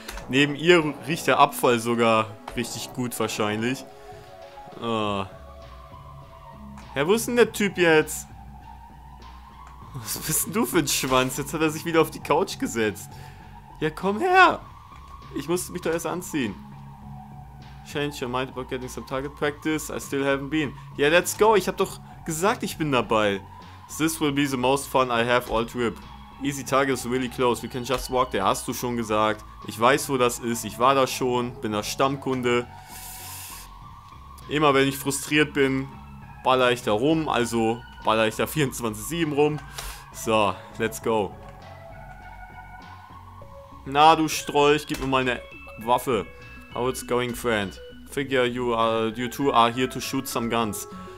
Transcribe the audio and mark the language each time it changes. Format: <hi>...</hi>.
<de>Neben ihr riecht der Abfall sogar richtig gut wahrscheinlich. Oh. Ja, wo ist denn der Typ jetzt? Was bist denn du für ein Schwanz? Jetzt hat er sich wieder auf die Couch gesetzt. Ja, komm her! Ich musste mich doch erst anziehen.</de> <en>Change your mind about getting some target practice. I still haven't been. Ja, yeah, let's go.</en> <de>Ich hab doch gesagt, ich bin dabei.</de> <en>This will be the most fun I have all trip. Easy target is really close. We can just walk there.</en> <de>Hast du schon gesagt. Ich weiß, wo das ist. Ich war da schon. Bin da Stammkunde. Immer wenn ich frustriert bin, baller ich da rum. Also baller ich da 24/7 rum.</de> <en>So, let's go.</en> <de>Na, du Strolch, gib mir mal eine Waffe.</de> <en>How it's going, friend? Figure you two are here to shoot some guns.</en>